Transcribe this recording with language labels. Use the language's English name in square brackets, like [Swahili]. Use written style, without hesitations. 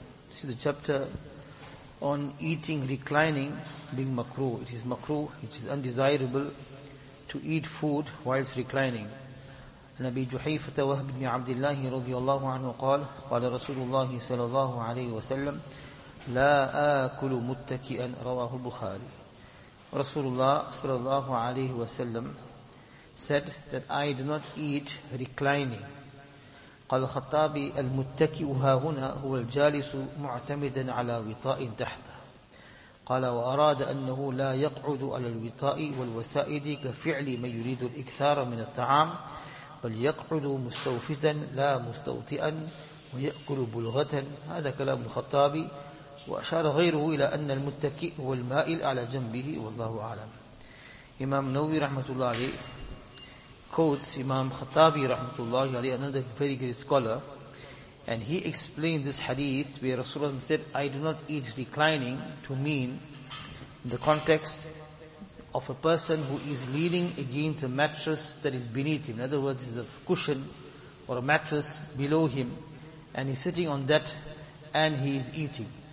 [English] This is the chapter on eating reclining being makruh. It is makruh, it is undesirable to eat food whilst reclining. [Arabic] نبي جحيفة وهب بن عبد الله رضي الله عنه قال قال رسول الله صلى الله عليه وسلم لا آكل متكئا. رواه البخاري. رسول الله صلى الله عليه وسلم [English] said that I do not eat reclining. [Arabic] قال الخطابي المتكئ هاهنا هو الجالس معتمدا على وطاء تحته. قال وأراد أنه لا يقعد على الوطاء والوسائد كفعل من يريد الإكثار من الطعام بل يقعد مستوفزا لا مستوطئا ويأكل بلغة. هذا كلام الخطابي. وأشار غيره إلى أن المتكئ هو المائل على جنبه والله أعلم. إمام نووي رحمة الله عليه [English] quotes Imam Khattabi rahmatullahi alayhi, another very great scholar, and he explained this hadith where Rasulullah said, I do not eat reclining, to mean in the context of a person who is leaning against a mattress that is beneath him. In other words, is a cushion or a mattress below him, and he's sitting on that and he is eating.